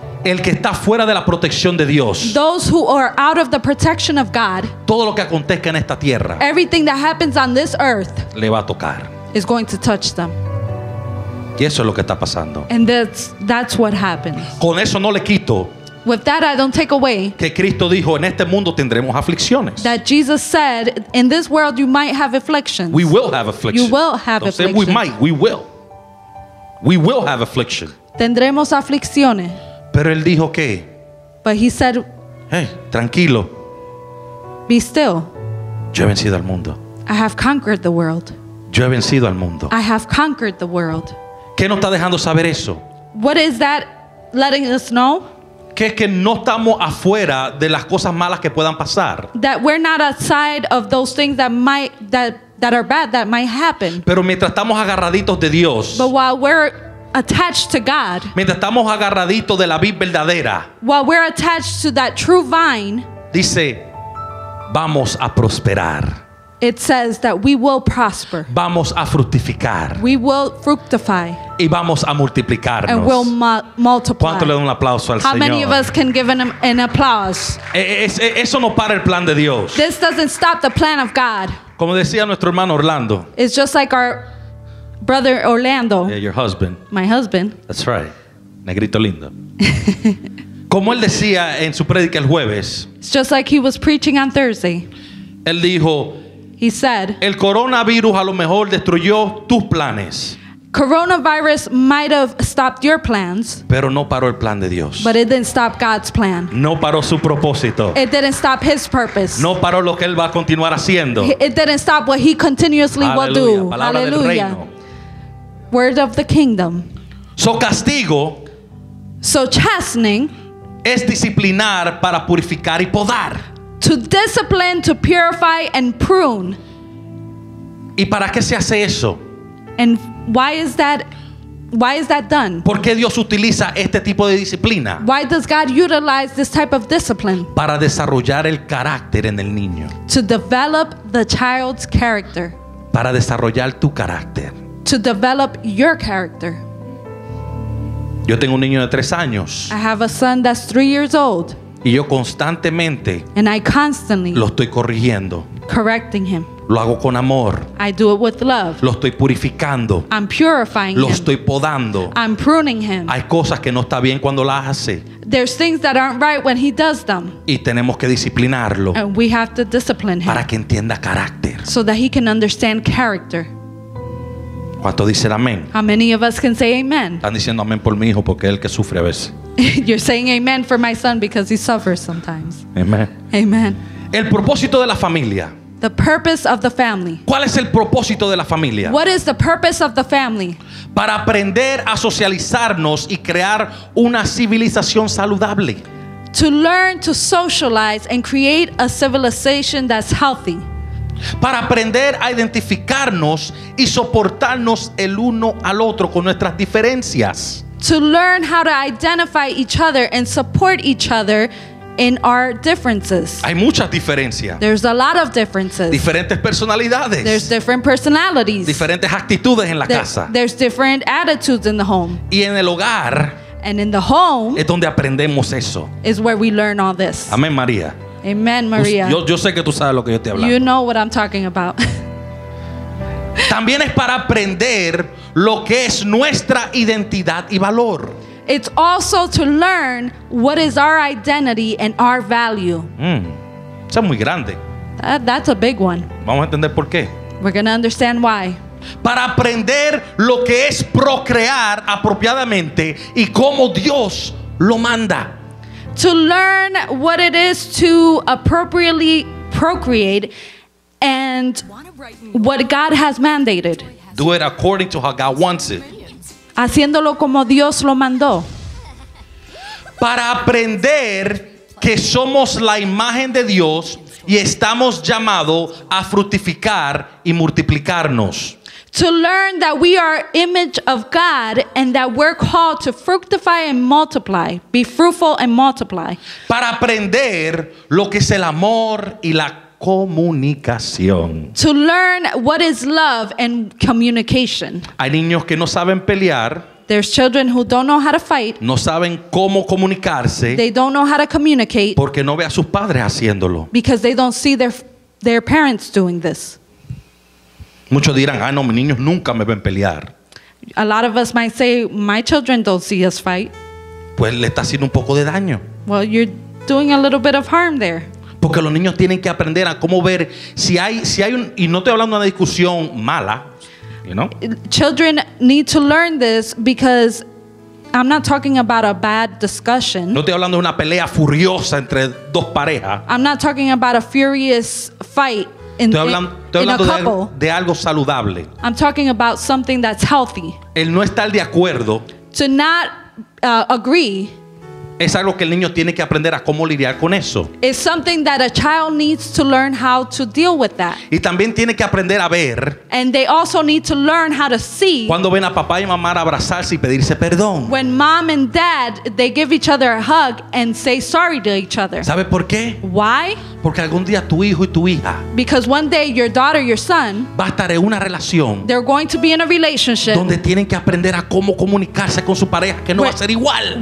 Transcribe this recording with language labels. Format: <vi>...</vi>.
<es>El que está fuera de la protección de Dios.</es> <en>Those who are out of the protection of God.</en> <es>Todo lo que acontezca en esta tierra.</es> <en>Everything that happens on this earth.</en> <es>Le va a tocar.</es> <en>Is going to touch them.</en> <es>Y eso es lo que está pasando.</es> <en>And that's what happens.</en> <es>Con eso no le quito.</es> <en>With that I don't take away.</en> <es>Que Cristo dijo, en este mundo tendremos aflicciones.</es> <en>That Jesus said, in this world you might have afflictions. We will have afflictions. You will have afflictions. Don't say we might, we will. We will have affliction.</en> <es>Tendremos aflicciones. Pero él dijo que.</es> <en>But he said,</en> <es>hey, tranquilo.</es> <en>Be still.</en> <es>Yo he vencido al mundo.</es> <en>I have conquered the world.</en> <es>Yo he vencido al mundo.</es> <en>I have conquered the world.</en> <es>¿Qué nos está dejando saber eso?</es> <en>What is that letting us know?</en> <es>Que es que no estamos afuera de las cosas malas que puedan pasar.</es> <en>That we're not outside of those things that might that are bad that might happen.</en> <es>Pero mientras estamos agarraditos de Dios.</es> <en>But while we're attached to God.</en> <es>Mientras estamos agarraditos de la vid verdadera.</es> <en>While we're attached to that true vine.</en> <es>Dice, vamos a prosperar.</es> <en>It says that we will prosper.</en> <es>Vamos a fructificar.</es> <en>We will fructify.</en> <es>Y vamos a multiplicarnos.</es> <en>And we'll multiply.</en> <es>¿Cuánto le da un aplauso al</es> <en>How</en> <es>Señor?</es> <en>Many of us can give an applause?</en> <es>Eso no para el plan de Dios.</es> <en>This doesn't stop the plan of God.</en> <es>Como decía nuestro hermano Orlando.</es> <en>It's just like our brother Orlando. Yeah, your husband. My husband. That's right.</en> <es>Negrito lindo. Como él decía en su prédica el jueves.</es> <en>It's just like he was preaching on Thursday.</en> <es>Él dijo.</es> <en>He said.</en> <es>El coronavirus a lo mejor destruyó tus planes.</es> <en>Coronavirus might have stopped your plans.</en> <es>Pero no paró el plan de Dios.</es> <en>But it didn't stop God's plan.</en> <es>No paró su propósito.</es> <en>It didn't stop his purpose.</en> <es>No paró lo que él va a continuar haciendo.</es> <en>It didn't stop what he continuously</en> <es>Aleluya.</es> <en>Will do.</en> <es>Palabra</es> <en>Hallelujah.</en> <es>Del reino.</es> <en>Word of the kingdom.</en> <es>So castigo.</es> <en>So chastening.</en> <es>Es disciplinar para purificar y podar.</es> <en>To discipline, to purify and prune.</en> <es>¿Y para qué se hace eso?</es> <en>And why is that done?</en> <es>¿Por qué Dios utiliza este tipo de disciplina?</es> <en>Why does God utilize this type of discipline?</en> <es>Para desarrollar el carácter en el niño.</es> <en>To develop the child's character.</en> <es>Para desarrollar tu carácter.</es> <en>To develop your character.</en> <es>Yo tengo un niño de 3 años.</es> <en>I have a son that's 3 years old.</en> <es>Y yo constantemente.</es> <en>And I constantly.</en> <es>Lo estoy corrigiendo.</es> <en>Correcting him.</en> <es>Lo hago con amor.</es> <en>I do it with love.</en> <es>Lo estoy purificando.</es> <en>I'm purifying him.</en> <es>Lo estoy podando.</es> <en>I'm pruning him.</en> <es>Hay cosas que no está bien cuando las hace.</es> <en>There's things that aren't right when he does them.</en> <es>Y tenemos que disciplinarlo.</es> <en>And we have to discipline him.</en> <es>Para que entienda carácter.</es> <en>So that he can understand character.</en> <es>¿Cuánto dice amén?</es> <en>How many of us can say amen?</en> <es>Están diciendo amén por mi hijo porque es el que sufre a veces.</es> <en>You're saying amen for my son because he suffers sometimes. Amen. Amen.</en> <es>El propósito de la familia.</es> <en>The purpose of the family.</en> <es>¿Cuál es el propósito de la familia?</es> <en>What is the purpose of the family?</en> <es>Para aprender a socializarnos y crear una civilización saludable.</es> <en>To learn to socialize and create a civilization that's healthy.</en> <es>Para aprender a identificarnos y soportarnos el uno al otro con nuestras diferencias.</es> <en>To learn how to identify each other and support each other in our differences.</en> <es>Hay muchas diferencias.</es> <en>There's a lot of differences.</en> <es>Diferentes personalidades.</es> <en>There's different personalities.</en> <es>Diferentes actitudes en la casa.</es> <en>There's different attitudes in the home.</en> <es>Y en el hogar.</es> <en>And in the home.</en> <es>Es donde aprendemos eso.</es> <en>Is where we learn all this.</en> <es>Amén, María.</es> <en>Amen, Maria.</en> <es>Yo sé que tú sabes lo que yo estoy hablando.</es> <en>You know what I'm talking about.</en> <es>También es para aprender lo que es nuestra identidad y valor.</es> <en>It's also to learn what is our identity and our value.</en> <es>Eso es muy grande.</es> <en>That's a big one.</en> <es>Vamos a entender por qué.</es> <en>We're going to understand why.</en> <es>Para aprender lo que es procrear apropiadamente y cómo Dios lo manda.</es> <en>To learn what it is to appropriately procreate and what God has mandated. Do it according to how God wants it.</en> <es>Haciéndolo como Dios lo mandó. Para aprender que somos la imagen de Dios y estamos llamados a fructificar y multiplicarnos.</es> <en>To learn that we are image of God and that we're called to fructify and multiply, be fruitful and multiply.</en> <es>Para aprender lo que es el amor y la comunicación.</es> <en>To learn what is love and communication.</en> <es>Hay niños que no saben pelear.</es> <en>There's children who don't know how to fight.</en> <es>No saben cómo comunicarse.</es> <en>They don't know how to communicate.</en> <es>Porque no ve a sus padres haciéndolo.</es> <en>Because they don't see their parents doing this.</en> <es>Muchos dirán, ah, no, mis niños nunca me ven pelear.</es> <en>A lot of us might say, my children don't see us fight.</en> <es>Pues le está haciendo un poco de daño.</es> <en>Well, you're doing a little bit of harm there.</en> <es>Porque los niños tienen que aprender a cómo ver si hay un, y no estoy hablando de una discusión mala,</es> <en>you know? Children need to learn this because I'm not talking about a bad discussion.</en> <es>No estoy hablando de una pelea furiosa entre dos parejas.</es> <en>I'm not talking about a furious fight.</en> <es>Estoy hablando de algo saludable.</es> <en>I'm talking about something that's healthy.</en> <es>El no estar de acuerdo.</es> <en>To not agree.</en> <es>Es algo que el niño tiene que aprender a cómo lidiar con eso.</es> <en>It's something that a child needs to learn how to deal with that.</en> <es>Y también tiene que aprender a ver.</es> <en>And they also need to learn how to see.</en> <es>Cuando ven a papá y mamá abrazarse y pedirse perdón.</es> <en>When mom and dad, they give each other a hug and say sorry to each other.</en> <es>¿Sabe por qué?</es> <en>Why?</en> <es>Porque algún día tu hijo y tu hija.</es> <en>Because one day your daughter, your son.</en> <es>Va a estar en una relación.</es> <en>They're going to be in a relationship.</en> <es>Donde tienen que aprender a cómo comunicarse con su pareja que no va a ser igual.</es>